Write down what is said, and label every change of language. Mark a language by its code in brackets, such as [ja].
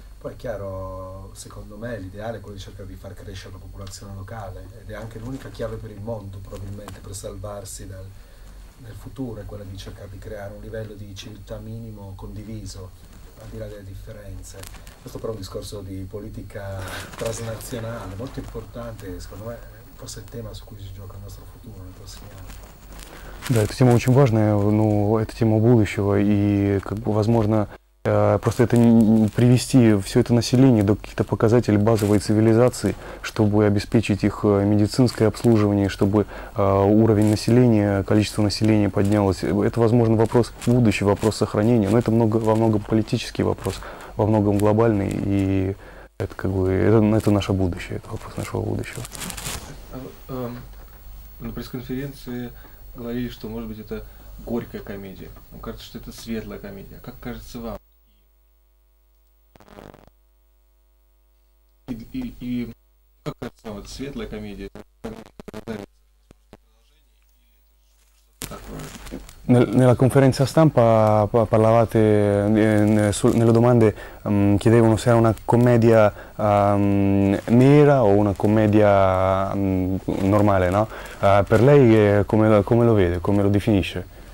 [it] Poi è chiaro, secondo me l'ideale è quello di cercare di far crescere la popolazione locale ed è anche l'unica chiave per il mondo probabilmente per salvarsi nel futuro, è quella di cercare di creare un livello di civiltà minimo condiviso al di là delle differenze. Questo però è un discorso di politica transnazionale, molto importante, secondo me forse è il tema su cui si gioca il nostro futuro nei prossimi anni. [ru] Да, эта тема очень важная, ну, это тема будущего и как бы возможно просто это привести все это население до каких-то показателей базовой цивилизации, чтобы обеспечить их медицинское обслуживание, чтобы уровень населения, количество населения поднялось. Это, возможно, вопрос будущего, вопрос сохранения, но это во многом политический вопрос, во многом глобальный, и это как бы это наше будущее, это вопрос нашего будущего. На пресс-конференции говорили, что, может быть, это горькая комедия. Мне кажется, что это светлая комедия. Как кажется вам? И как кажется вам, это светлая комедия? [it] Nella conferenza stampa parlavate, nelle domande chiedevano se era una commedia nera o una commedia normale, no? Per lei come lo vede, come lo definisce?